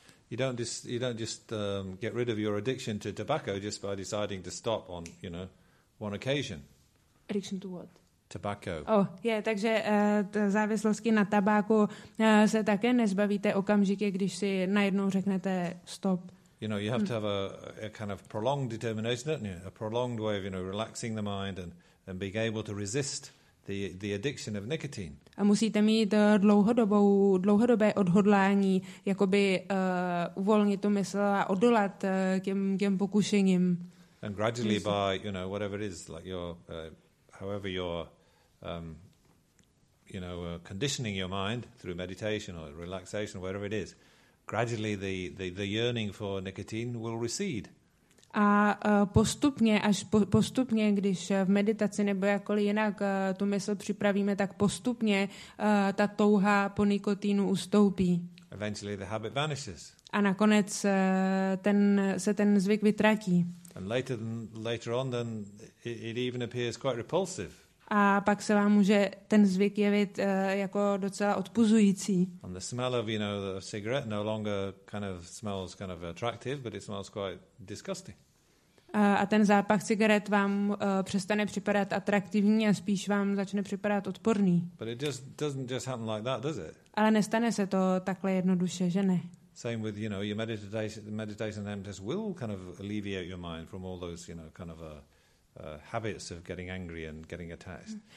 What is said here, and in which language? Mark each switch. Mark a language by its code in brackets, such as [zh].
[en] You don't just get rid of your addiction to tobacco just by deciding to stop on, you know, one occasion. Addiction to what? Tobacco. [cs] Takže závislosti na tabáku se také nezbavíte okamžitě, když si najednou řeknete stop. [en] You know, you have to have a kind of prolonged determination, don't you? A prolonged way of, you know, relaxing the mind and being able to resist the addiction of nicotine. [cs] A musíte mít dlouhodobé odhodlání jakoby uvolnit tu mysl a odolat těm pokušením. [en] And gradually by, you know, whatever it is, like your however your you know, conditioning your mind through meditation or relaxation, whatever it is, gradually the yearning for nicotine will recede. [cs] A postupně, když v meditaci nebo jakkoliv jinak tu mysl připravíme, tak postupně ta touha po nikotínu ustoupí. [en] Eventually the habit vanishes. [cs] A nakonec ten zvyk vytratí. [en] And later on, then it even appears quite repulsive. [cs] A pak se vám může ten zvyk jevit jako docela odpuzující. [en] And the smell of, you know, the cigarette no longer kind of smells kind of attractive, but it smells quite disgusting. [cs] A ten zápach cigaret vám přestane připadat atraktivní a spíš vám začne připadat odporný. [en] But it just doesn't just happen like that, does it? [cs] Ale nestane se to takhle jednoduše, že ne? [en] Same with, you know, your meditation and emptiness will kind of alleviate your mind from all those, you know, kind of habits of getting angry and getting attached.